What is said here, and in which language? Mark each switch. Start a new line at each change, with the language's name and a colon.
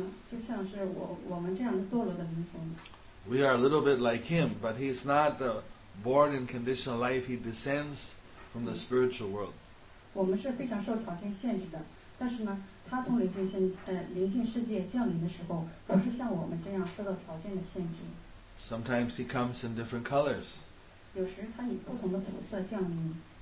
Chinese: 就像是我们这样的堕落的灵魂。
English: We are a little bit like him, but he's not the born in conditional life. He descends. From the spiritual world.
Chinese: 我们是非常受条件限制的，但是呢，他从灵性世界降临的时候，不是像我们这样受到条件的限制。
English: Sometimes he comes in different colors.
Chinese: 有时他以不同的肤色降临。